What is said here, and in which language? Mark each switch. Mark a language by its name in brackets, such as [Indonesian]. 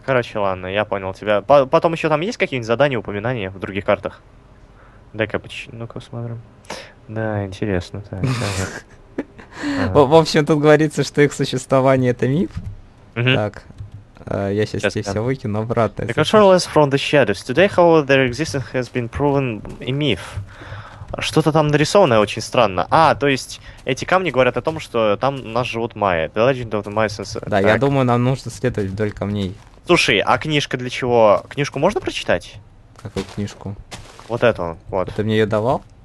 [Russian] Короче, ладно, я понял тебя. Потом еще там есть какие-нибудь задания, упоминания в других картах? Дай-ка, ну-ка, посмотрим. Да, интересно. В общем, тут говорится, что их существование — это миф. Так. Я сейчас здесь все выкину обратно. [English] The Controllers from the Shadows. Today, however, their existence has been proven a myth. [Russian] Что-то там нарисованное очень странно. А, то есть эти камни говорят о том, что там у нас живут майя. [English] The Legend of the Mayans. [Russian] Да, так. Я думаю, нам нужно следовать вдоль камней. Слушай, а книжка для чего? Книжку можно прочитать? Какую книжку? Вот эту, вот. Ты мне ее давал?